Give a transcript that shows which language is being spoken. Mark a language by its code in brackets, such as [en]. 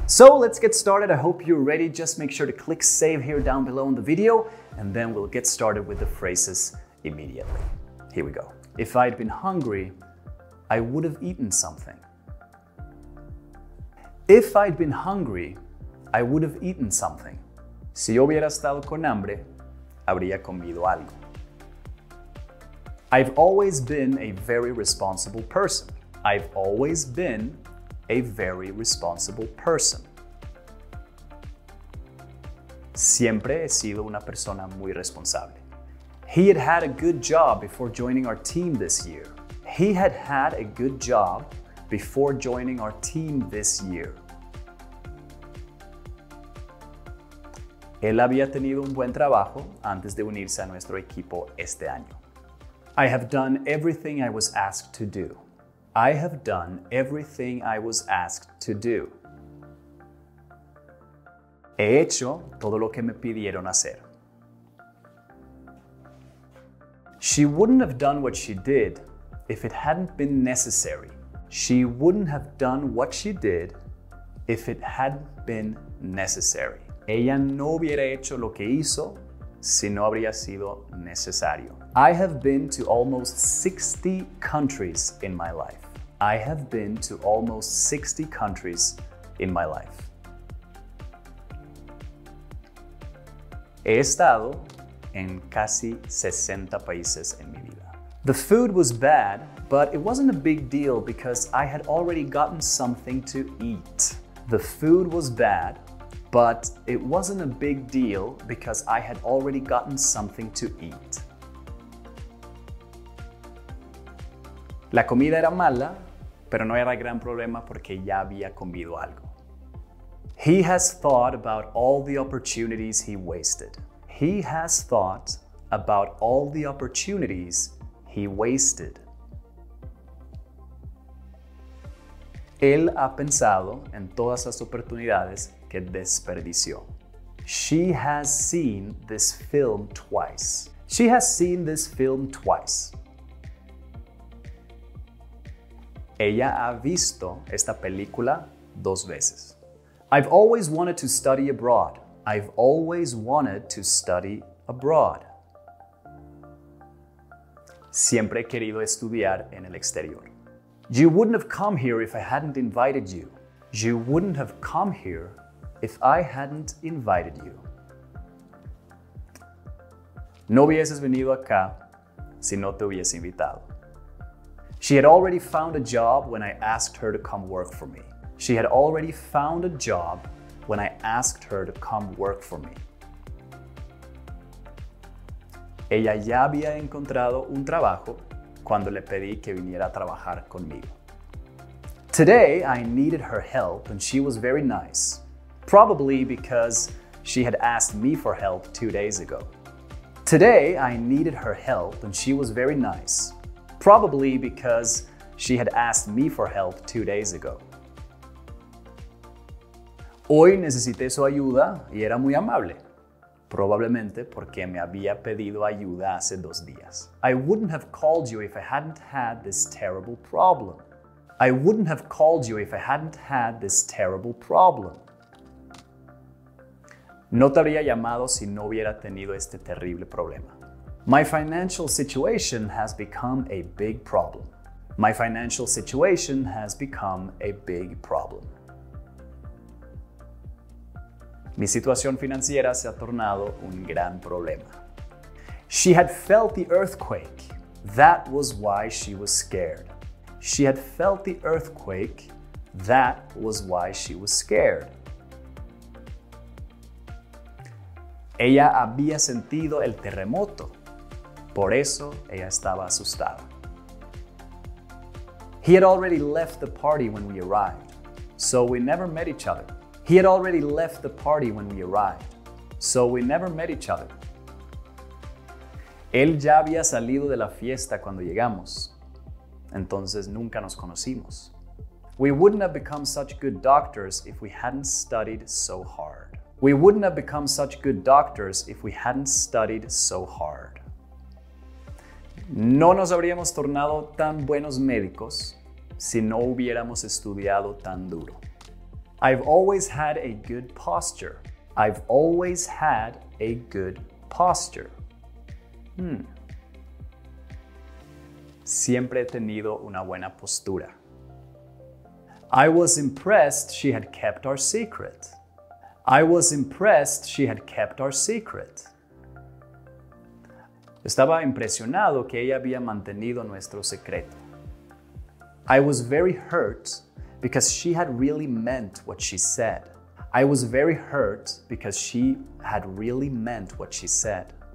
[en] So let's get started. I hope you're ready. Just make sure to click save here down below in the video, and then we'll get started with the phrases immediately. Here we go. If I'd been hungry, I would have eaten something. If I'd been hungry, I would have eaten something. [es] Si yo hubiera estado con hambre, habría comido algo. [en] I've always been a very responsible person. I've always been a very responsible person. [es] Siempre he sido una persona muy responsable. [en] He had had a good job before joining our team this year. He had had a good job before joining our team this year. [es] Él había tenido un buen trabajo antes de unirse a nuestro equipo este año. [en] I have done everything I was asked to do. I have done everything I was asked to do. [es] He hecho todo lo que me pidieron hacer. [en] She wouldn't have done what she did if it hadn't been necessary. She wouldn't have done what she did if it hadn't been necessary. [es] Ella no hubiera hecho lo que hizo si no habría sido necesario. [en] I have been to almost 60 countries in my life. I have been to almost 60 countries in my life. [es] He estado en casi 60 países en mi vida. [en] The food was bad, but it wasn't a big deal because I had already gotten something to eat. The food was bad, but it wasn't a big deal because I had already gotten something to eat. [es] La comida era mala, pero no era gran problema porque ya había comido algo. [en] He has thought about all the opportunities he wasted. He has thought about all the opportunities he wasted. [es] Él ha pensado en todas las oportunidades que desperdició. [en] She has seen this film twice. She has seen this film twice. [es] Ella ha visto esta película dos veces. [en] I've always wanted to study abroad. I've always wanted to study abroad. [es] Siempre he querido estudiar en el exterior. [en] You wouldn't have come here if I hadn't invited you. You wouldn't have come here if I hadn't invited you. [es] No hubieses venido acá si no te hubiese invitado. [en] She had already found a job when I asked her to come work for me. She had already found a job when I asked her to come work for me. [es] Ella ya había encontrado un trabajo cuando le pedí que viniera a trabajar conmigo. [en] Today, I needed her help and she was very nice. Probably because she had asked me for help 2 days ago. Today, I needed her help and she was very nice. Probably because she had asked me for help 2 days ago. [es] Hoy necesité su ayuda y era muy amable. Probablemente porque me había pedido ayuda hace 2 días. [en] I wouldn't have called you if I hadn't had this terrible problem. I wouldn't have called you if I hadn't had this terrible problem. [es] No te habría llamado si no hubiera tenido este terrible problema. [en] My financial situation has become a big problem. My financial situation has become a big problem. [es] Mi situación financiera se ha tornado un gran problema. [en] She had felt the earthquake. That was why she was scared. She had felt the earthquake. That was why she was scared. [es] Ella había sentido el terremoto. Por eso, ella estaba asustada. [en] He had already left the party when we arrived, so we never met each other. He had already left the party when we arrived, so we never met each other. [es] Él ya había salido de la fiesta cuando llegamos, entonces nunca nos conocimos. [en] We wouldn't have become such good doctors if we hadn't studied so hard. We wouldn't have become such good doctors if we hadn't studied so hard. [es] No nos habríamos tornado tan buenos médicos si no hubiéramos estudiado tan duro. [en] I've always had a good posture. I've always had a good posture. [es] Siempre he tenido una buena postura. [en] I was impressed she had kept our secret. I was impressed she had kept our secret. [es] Estaba impresionado que ella había mantenido nuestro secreto. [en] I was very hurt because she had really meant what she said. I was very hurt because she had really meant what she said.